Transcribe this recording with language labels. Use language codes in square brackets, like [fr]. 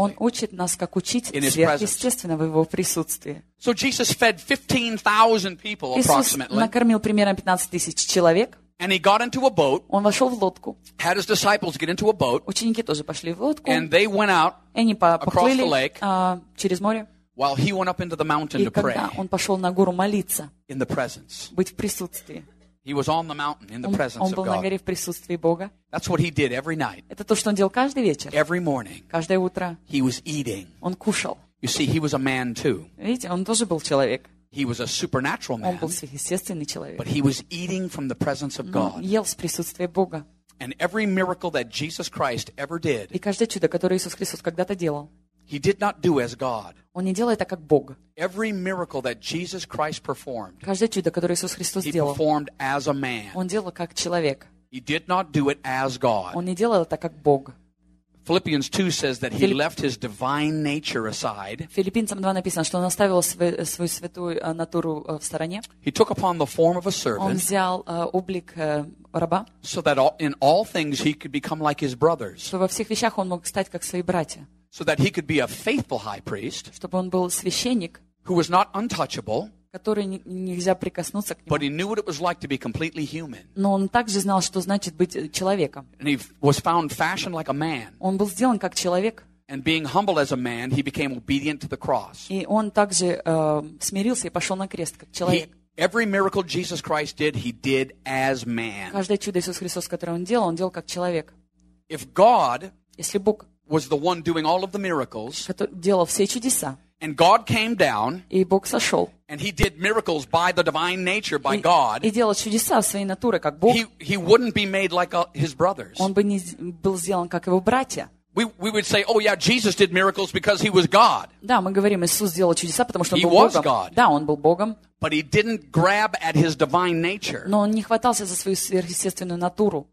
[ru] Он учит нас, как учить сверхъестественно в его присутствии. [en] So Jesus fed 15,000 people approximately. [ru] Иисус накормил примерно 15,000 человек. [en] And he got into a boat. [ru] Он вошел в лодку. [en] Had his disciples get into a boat. [ru] Ученики тоже пошли в лодку. [en] And they went out. [ru] И они [en] across the lake. [ru] Через море. [en] While he went up into the mountain to pray. [ru] И когда он пошел на гору молиться. [en] In the presence. [ru] Быть в присутствии. [en] He was on the mountain in the presence of God. [ru] Он был на горе в присутствии Бога. [en] That's what he did every night. [ru] Это то, что он делал каждый вечер. [en] Every morning. [ru] Каждое утро. [en] He was eating. [ru] Он кушал. [en] You see, he was a man too. [ru] Видите, он тоже был человек. [en] He was a supernatural man. [ru] Он был сверхъестественный человек. [en] But he was eating from the presence of God. [ru] Он ел с присутствия Бога. [en] And every miracle that Jesus Christ ever did. [ru] И каждое чудо, которое Иисус Христос когда-то делал. [en] He did not do as God. [ru] Он не делал это как Бог. [en] Every miracle that Jesus Christ performed. [ru] Каждое чудо, которое Иисус Христос делал. [en] He performed as a man. [ru] Он делал как человек. [en] He did not do it as God. [ru] Он не делал это как Бог. [en] Philippians 2 says that he left his divine nature aside. [ru] Филиппийцам 2 написано, что он оставил свою святую натуру в стороне. [en] He took upon the form of a servant. [ru] Он взял облик раба. [en] So that in all things he could become like his brothers. [ru] Чтобы во всех вещах он мог стать как свои братья. [en] So that he could be a faithful high priest. [ru] Чтобы он был священник. [en] Who was not untouchable. [ru] Который нельзя прикоснуться к нему. [en] But he knew what it was like to be completely human. [ru] Но он также знал, что значит быть человеком. [en] And he was found fashioned like a man. [ru] Он был сделан как человек. [en] And being humble as a man, he became obedient to the cross. [ru] И он также смирился и пошел на крест как человек. [en] Every miracle Jesus Christ did, he did as man. [ru] Каждое чудо Иисус Христос, которое он делал как человек. [en] If God, [ru] если Бог, [en] was the one doing all of the miracles, [ru] который делал все чудеса. [en] And God came down. [ru] И Бог сошел. [en] And he did miracles by the divine nature, by God. [ru] И делал чудеса своей натуры, как Бог. [en] He wouldn't be made like his brothers. [ru] Он бы не был сделан, как его братья. [en] We would say, oh yeah, Jesus did miracles because he was God. [ru] Да, мы говорим, Иисус сделал чудеса, потому что он был Богом. [en] He was God. [ru] Да, он был Богом. [en] But he didn't grab at his divine nature. [ru] Но он не хватался за свою сверхъестественную натуру.